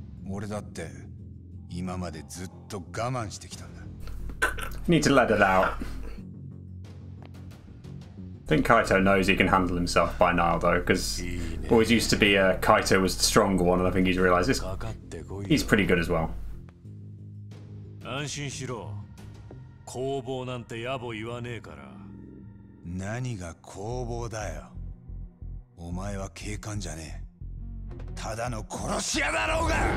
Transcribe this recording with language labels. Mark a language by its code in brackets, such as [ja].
[ja] 俺だって今までずっと我慢してきたんだ。 [en] Need to let it out. I think Kaito knows he can handle himself by now though, because always used to be a Kaito was the stronger one, and I think he's realized this. He's pretty good as well. [ja] 安心しろ。攻防なんて野暮言わねえから。何が攻防だよ。お前は警官じゃねえ。ただの殺し屋だろうが。